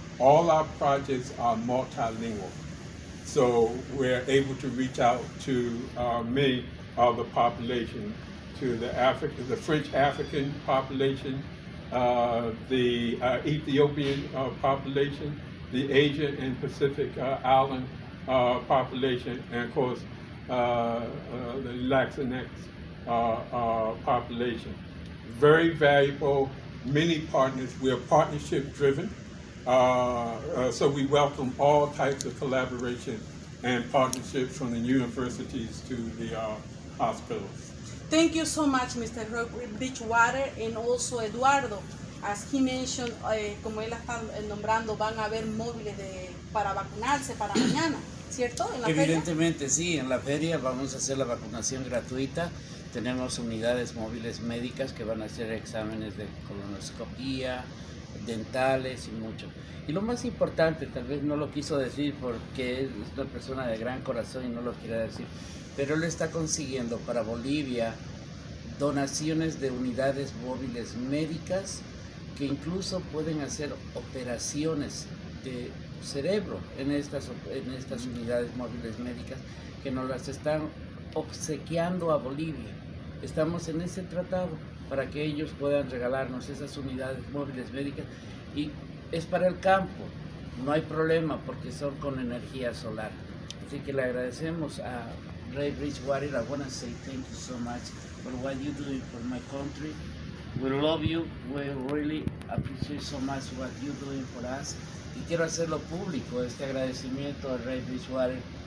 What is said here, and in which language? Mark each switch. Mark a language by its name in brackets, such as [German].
[English] All our projects are multilingual, so we're able to reach out to many of the population, to the African, the French African population, the Ethiopian population, the Asian and Pacific Island population, and of course, the Latinx population. Very valuable, many partners. We are partnership driven. So we welcome all types of collaboration and partnership from the universities to the hospitals. Thank you so much, Mr. Bridgewater, and also Eduardo. As he mentioned, [Spanish] como él está nombrando, van a haber móviles de, para vacunarse para mañana, ¿cierto? ¿En la Evidentemente, feria? Sí, en la feria vamos a hacer la vacunación gratuita. Tenemos unidades móviles médicas que van a hacer exámenes de colonoscopía, dentales y mucho. Y lo más importante, tal vez no lo quiso decir porque es una persona de gran corazón y no lo quiere decir, pero él está consiguiendo para Bolivia donaciones de unidades móviles médicas que incluso pueden hacer operaciones de cerebro en estas unidades móviles médicas que nos las están obsequiando a Bolivia. Estamos en ese tratado para que ellos puedan regalarnos esas unidades móviles médicas y es para el campo, no hay problema porque son con energía solar. Así que le agradecemos a Rey Bridgewater. [English] I want to say thank you so much for what you're doing for my country. We love you, we really appreciate so much what you're doing for us. [Spanish] Y quiero hacerlo público este agradecimiento a Rey Bridgewater.